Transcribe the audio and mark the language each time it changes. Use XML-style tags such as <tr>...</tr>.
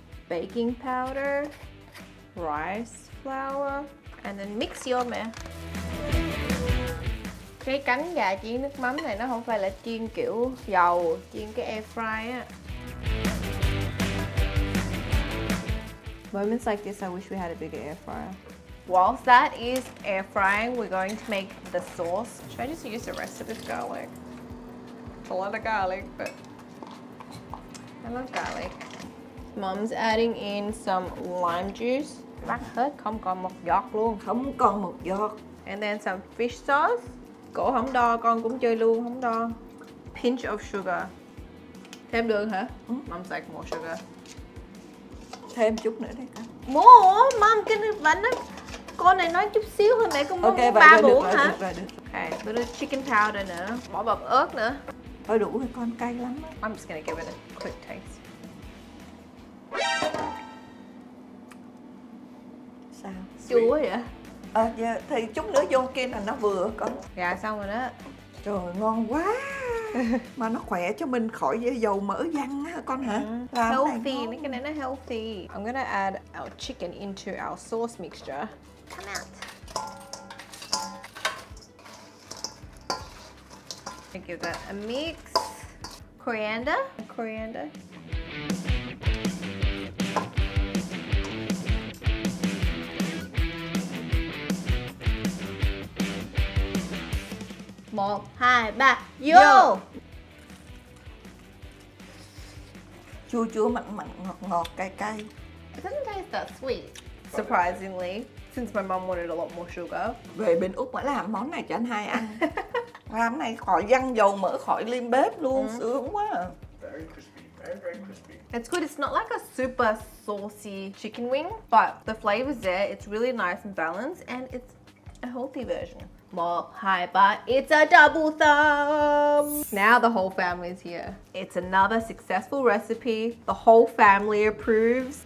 <en>Baking powder, rice flour, and then mix your mess.</en> <vi>Cái cánh gà chiên nước mắm này nó không phải là chiên kiểu dầu, chiên cái air fry á.</vi> <en>Moments like this, I wish we had a bigger air fryer. Whilst that is air frying, we're going to make the sauce. Should I just use the rest of this garlic? It's a lot of garlic, but I love garlic. Mom's adding in some lime juice.</en> <vi>Bác hết không còn một giọt luôn. Không còn một giọt.</vi> <en>And then some fish sauce.</en> <vi>Cổ không đo, con cũng chơi luôn, không đo.</vi> <en>Pinch of sugar.</en> <vi>Thêm đường hả?</vi> <en>Mom's like more sugar.</en> <vi>Thêm chút nữa đi con.</vi> <en>More?</en> <vi>Mom, cái này bánh á. Con này nói chút xíu thôi, mẹ cũng okay, muốn 3 muỗng hả? Được, vậy được.</vi> <en>Okay, little chicken powder</en> <vi>nữa. Bỏ bọc ớt nữa. Thôi đủ rồi con, cay lắm á.</vi> <en>I'm just gonna give it a quick taste.</en> <vi>Sao? Chua vậy? À, dạ, thì chút nữa vô kia là nó vừa con. Dạ xong rồi đó. Trời ngon quá. Mà nó khỏe cho mình khỏi dầu mỡ răng á con hả? Healthy, mấy cái này nó healthy.</vi> <en>I'm gonna add our chicken into our sauce mixture. Come out. I give that a mix. Coriander. Coriander.</en> <vi>Một, hai, ba, yo! Chua chua, mặn mặn, ngọt ngọt, cay cay.</vi> <en>It doesn't taste that sweet. Surprisingly, since my mom wanted a lot more sugar.</en> <vi>Về bên Úc mới làm món này cho anh hai ăn. Làm này khỏi văng dầu mỡ, khỏi lim bếp luôn, sướng quá.</vi> <en>Very crispy, crispy. It's good. It's not like a super saucy chicken wing, but the flavor's there. It's really nice and balanced, and it's a healthy version. Well, hi, but it's a double thumbs. Now the whole family is here. It's another successful recipe. The whole family approves.</en>